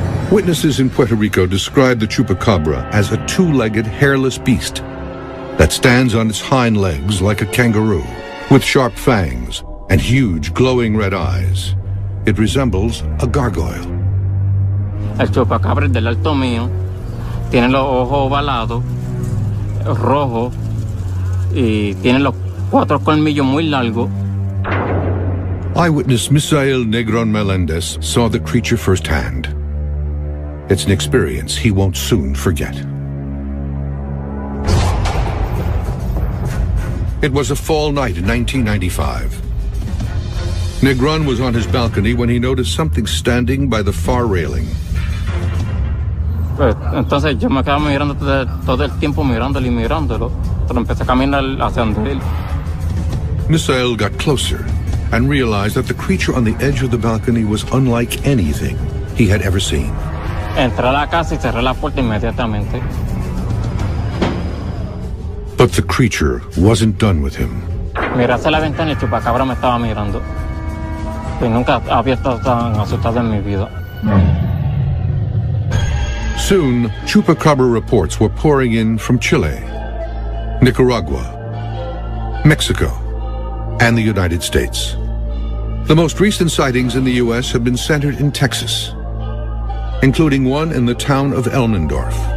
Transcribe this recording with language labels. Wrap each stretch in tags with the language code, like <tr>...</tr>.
<en>Witnesses in Puerto Rico described the chupacabra as a two-legged, hairless beast that stands on its hind legs like a kangaroo, with sharp fangs and huge, glowing red eyes. It resembles a gargoyle.</en> <es>El chupacabra del alto mío tiene los ojos ovalados, rojo, y tiene los cuatro colmillos muy largos.</es> <en>Eyewitness Misael Negron Melendez saw the creature firsthand. It's an experience he won't soon forget. It was a fall night in 1995. Negron was on his balcony when he noticed something standing by the far railing.</en> <es>Entonces yo me quedaba mirando todo el tiempo mirándolo y mirándolo, pero empecé a caminar hacia él.</es> <en>Misael got closer and realized that the creature on the edge of the balcony was unlike anything he had ever seen.</en> <es>Entré a la casa y cerré la puerta inmediatamente.</es> <en>But the creature wasn't done with him.</en> <es>Miré hacia la ventana y el chupacabra me estaba mirando. Y nunca había estado tan asustado en mi vida.</es> <en>Soon, chupacabra reports were pouring in from Chile, Nicaragua, Mexico, and the United States. The most recent sightings in the U.S. have been centered in Texas, including one in the town of Elmendorf.</en>